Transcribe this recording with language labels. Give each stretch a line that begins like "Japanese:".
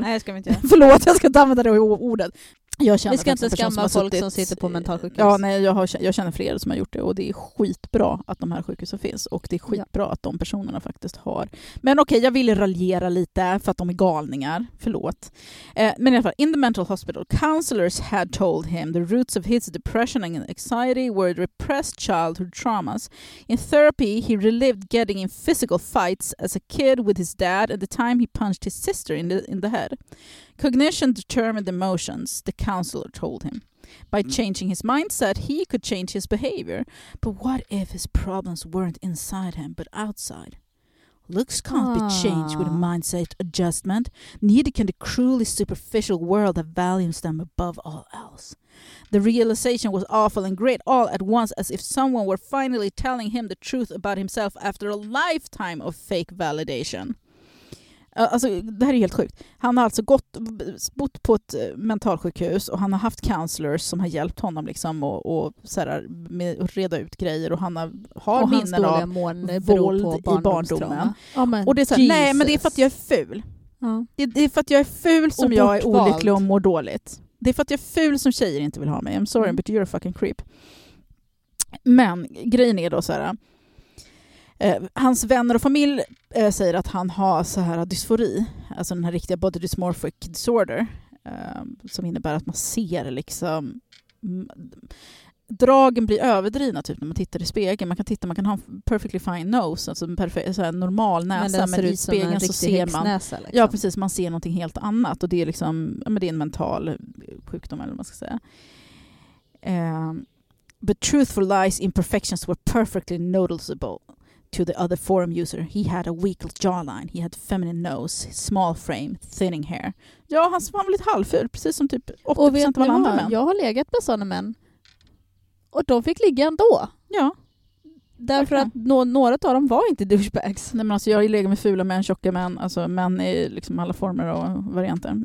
Swedish: Nej, jag ska inte göra. Förlåt, jag ska inte använda det ordet. Jag känner vi ska inte skamma som folk suttit, som sitter på mentalsjukhus. Ja, nej, jag känner flera som har gjort det. Och det är skitbra att de här sjukhusen finns. Och det är skitbra att de personerna faktiskt har. Men okej, jag ville raljera lite för att de är galningar. Förlåt. Men i alla fall,
English: in the mental hospital, counselors had told him the roots of his depression and anxiety were repressed childhood traumas. In therapy, he relived getting in physical fights as a kid with his dad at the time he punched his sister in the head. Cognition determined emotions, the counselor told him. By changing his mindset, he could change his behavior. But what if his problems weren't inside him, but outside? Looks can't be changed with a mindset adjustment. Neither can the cruelly superficial world that values them above all else. The realization was awful and great all at once, as if someone were finally telling him the truth about himself after a lifetime of fake validation.
Swedish: Alltså, det här är helt sjukt. Han har alltså bott på ett mentalsjukhus och han har haft counselors som har hjälpt honom liksom och så här, med att reda ut grejer och han har och minnen av våld på i barndomen. Ja, men, och det är så här, nej, men det är för att jag är ful. Ja. Det är för att jag är ful som jag är olycklig och mår dåligt. Det är för att jag är ful som tjejer inte vill ha mig.
English: I'm sorry, but you're a fucking creep.
Swedish: Men grejen är då så här. Hans vänner och familj säger att han har så här dysfori, alltså den här riktiga body dysmorphic disorder, som innebär att man ser liksom dragen blir överdrivna typ när man tittar i spegeln. Man kan ha en
English: perfectly fine nose,
Swedish: alltså en perfekt så här normal näsa, men i spegeln så ser man liksom. Ja, precis, man ser någonting helt annat och det är liksom, ja, men det är en mental sjukdom eller vad man ska säga.
English: But truthful lies, imperfections were perfectly noticeable to the other forum user. He had a weak jawline, he had feminine nose, small frame, thinning hair.
Swedish: Ja, han var lite halvful, precis som typ 80% av alla andra män. Jag har legat med sådana män. Och de fick ligga ändå. Ja. Därför att några av dem var inte douchebags. Nej, men alltså jag legat med fula män, tjocka män, alltså män i liksom alla former och varianter.